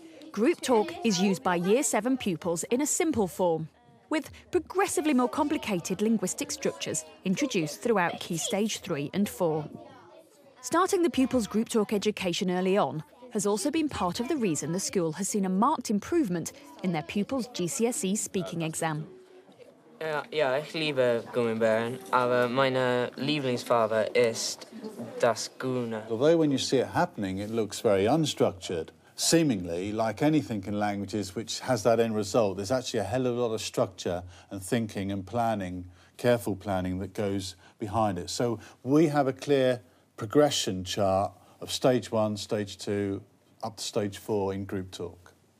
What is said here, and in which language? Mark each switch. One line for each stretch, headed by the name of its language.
English: Group talk is used by Year 7 pupils in a simple form, with progressively more complicated linguistic structures introduced throughout Key Stage 3 and 4. Starting the pupils' group talk education early on has also been part of the reason the school has seen a marked improvement in their pupils' GCSE speaking exam.
German: Yeah, ich liebe Gummibären, aber meine Lieblingsfarbe ist das Grüne.
English: Although when you see it happening, it looks very unstructured. Seemingly, like anything in languages which has that end result, there's actually a hell of a lot of structure and thinking and planning, careful planning, that goes behind it. So we have a clear progression chart of stage one, stage two, up to stage four in group talk.